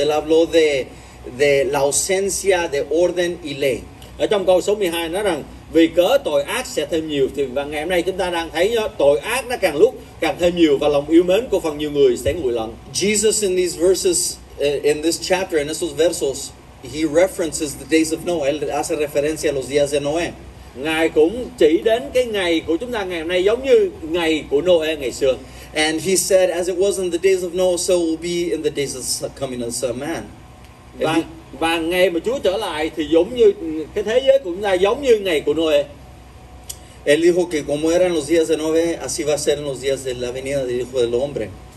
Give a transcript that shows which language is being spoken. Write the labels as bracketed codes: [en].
[es] Él habló de la ausencia de orden y ley. [vi] Ở trong câu số 12 nói rằng vì cớ tội ác sẽ thêm nhiều, thì và ngày hôm nay chúng ta đang thấy tội ác nó càng lúc càng thêm nhiều và lòng yêu mến của phần nhiều người sẽ nguội lạnh. [en] Jesus in these verses, in this chapter, in [es] estos versos, [en] he references the days of Noah. [es] Él hace referencia a los días de Noé. [vi] Ngài cũng chỉ đến cái ngày của chúng ta ngày hôm nay giống như ngày của Noé ngày xưa. [en] And he said, as it was in the days of Noah, so will be in the days of the coming of the Son of Man. [vi] Và ngày mà Chúa trở lại thì giống như cái thế giới cũng là giống như ngày của Noé. [es] Él dijo que como eran los días de Noé, así va a ser en los días de la venida del Hijo del Hombre.